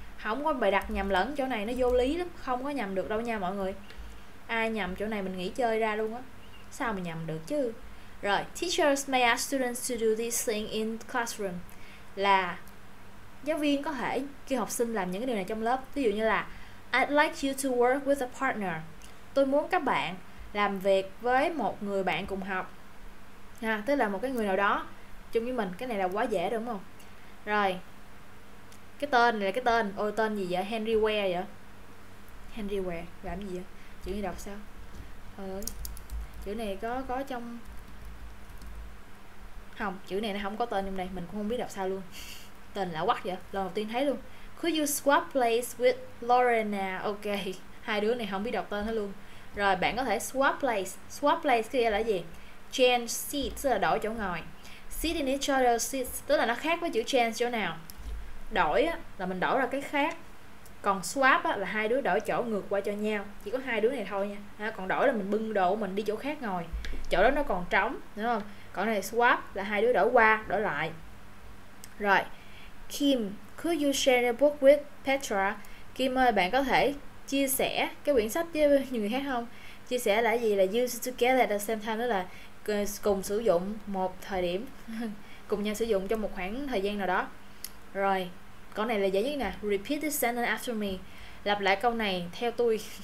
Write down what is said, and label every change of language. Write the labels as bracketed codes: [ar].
[vi] Không có bài đặt nhầm lẫn chỗ này, nó vô lý lắm, không có nhầm được đâu nha mọi người. Ai nhầm chỗ này mình nghỉ chơi ra luôn á. Sao mà nhầm được chứ. [en] Rồi, teachers may ask students to do this thing in classroom. [vi] Là giáo viên có thể kêu học sinh làm những cái điều này trong lớp. Ví dụ như là [en] I'd like you to work with a partner. [vi] Tôi muốn các bạn làm việc với một người bạn cùng học ha, tức là một cái người nào đó chung với mình. Cái này là quá dễ đúng không? Rồi, cái tên này là cái tên. Ôi, tên gì vậy? Henry Ware vậy? Henry Ware, làm gì vậy? Chữ này đọc sao? Chữ này có trong... Không, chữ này nó không có tên trong đây. Mình cũng không biết đọc sao luôn. Tên lạ quắc vậy, lần đầu tiên thấy luôn. [en] Could you swap place with Lorena? [vi] Ok, hai đứa này không biết đọc tên hết luôn. Rồi, bạn có thể swap place. Swap place kia là gì? [en] Change seat, [vi] tức là đổi chỗ ngồi. [en] Sit in each other's seats, [vi] tức là nó khác với chữ change chỗ nào. Đổi á, là mình đổi ra cái khác. Còn swap á, là hai đứa đổi chỗ ngược qua cho nhau. Chỉ có hai đứa này thôi nha. À, còn đổi là mình bưng đồ mình đi chỗ khác ngồi. Chỗ đó nó còn trống, đúng không? Còn này swap là hai đứa đổi qua, đổi lại. [en] Rồi, Kim, could you share a book with Petra? [vi] Kim ơi, bạn có thể chia sẻ cái quyển sách với người khác không? Chia sẻ là gì? Là [en] use together at the same time, [vi] đó là cùng sử dụng một thời điểm, cùng nhau sử dụng trong một khoảng thời gian nào đó. Rồi, câu này là dễ nhất nè. [en] Repeat this sentence after me. [vi] Lặp lại câu này theo tôi.